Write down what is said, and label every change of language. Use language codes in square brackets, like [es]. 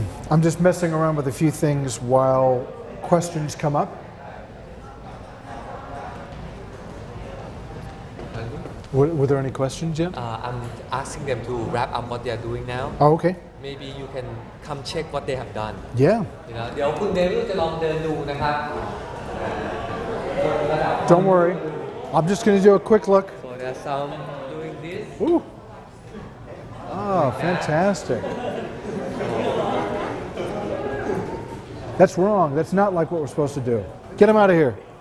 [en] I'm just messing around with a few things while questions come up. Were there any questions yet? I'm asking them to wrap up what they're doing now. Oh, okay. Maybe you can come check what they have done. Yeah. You know, [th] เดี๋ยวคุณเดวิดจะลองเดินดูนะครับ [en] Don't worry. I'm just going to do a quick look. So there are some doing this. Ooh. Oh, fantastic. That's wrong. That's not like what we're supposed to do. Get him out of here.